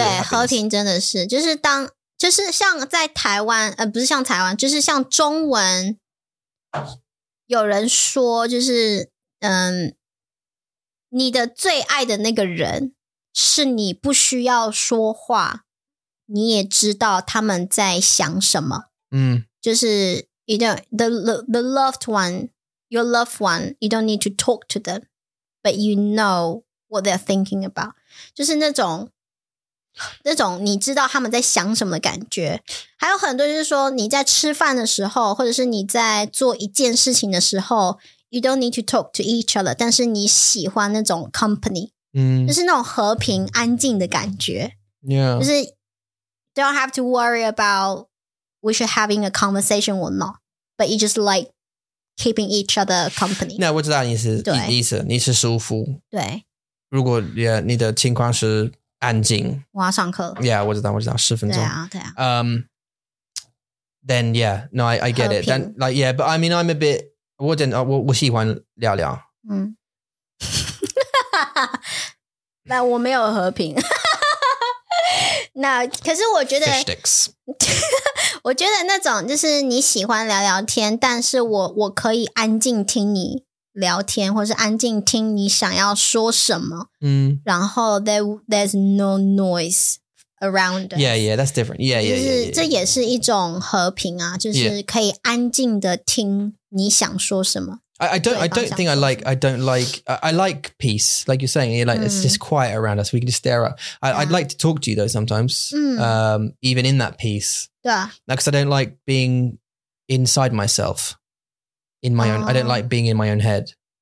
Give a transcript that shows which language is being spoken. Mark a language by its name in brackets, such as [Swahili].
[Chinese] 对和平真的是就是当就是像在台湾不是像台湾就是像中文有人说就是你的最爱的那个人是你不需要说话你也知道他们在想什么。 [English] 就是 you know, the loved one, your loved one, you don't need to talk to them, but you know what they're thinking about. [Chinese] 就是那种那种你知道他们在想什么的感觉。还有很多就是说你在吃饭的时候或者是你在做一件事情的时候 [English] you don't need to talk to each other, [Chinese] 但是你喜欢那种 company,、 mm. 就是那种和平安静的感觉。 [English] Yeah. 就是 don't have to worry about we should having a conversation or not, but you just like keeping each other company. [Chinese] 那、yeah, 我知道你是意思你是舒服。对。如果 yeah, 你的情况是安静。我要上课。 Yeah, 我知道我知道十分钟。对啊对啊。 [English] Then yeah, no, I get it. Then, like, yeah, but I mean, I'm a bit, [Chinese] 我喜欢聊聊。嗯。那我没有和平。那可是我觉得。 [English] Fish sticks. [Chinese] 我觉得那种就是你喜欢聊聊天但是我可以安静听你。聊天或是安静听你想要说什么、 mm. 然后 [English] there's no noise around us. Yeah, yeah, that's different. Yeah, yeah, yeah, yeah, yeah, yeah. [Chinese] 这也是一种和平啊就是可以安静的听你想说什么、 [English] yeah. I don't like peace like you're saying like,、mm. it's just quiet around us we can just stare up I'd like to talk to you though sometimes、mm. Even in that peace yeah because I don't like being inside myselfIn my own,、oh. I don't like being in my own head.